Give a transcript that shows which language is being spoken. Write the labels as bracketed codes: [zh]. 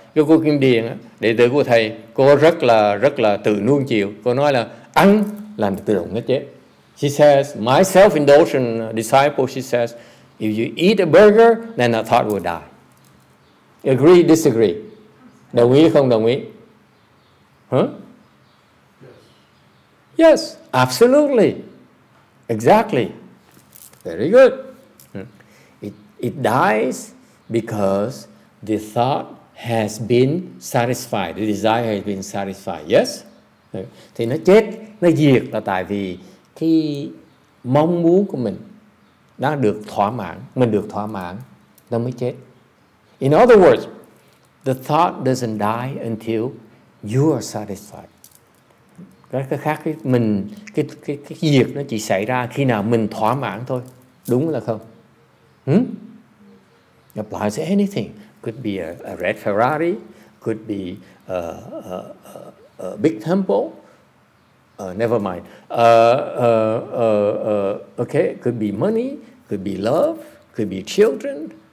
[vi] Cô Kim Điền, đệ tử của thầy, cô rất là tự nuông chiều. Cô nói là ăn làm tự động nó chết. [en] She says, my self-indulgent disciple, she says, if you eat a burger, then the thought will die. Agree, disagree? [vi] Đồng ý không đồng ý? [en] Huh? Yes, absolutely. Exactly. Very good. It dies because the thought has been satisfied. The desire has been satisfied. Yes? [vi] Thì nó chết, nó diệt là tại vì cái mong muốn của mình đã được thỏa mãn. Mình được thỏa mãn, nó mới chết. [en] In other words, the thought doesn't die until you are satisfied. [vi] Cái khác, cái diệt nó chỉ xảy ra khi nào mình thỏa mãn thôi. Đúng là không? [en] Applies to anything. Could be a red Ferrari, could be a big temple, never mind. Okay, could be money, could be love, could be children.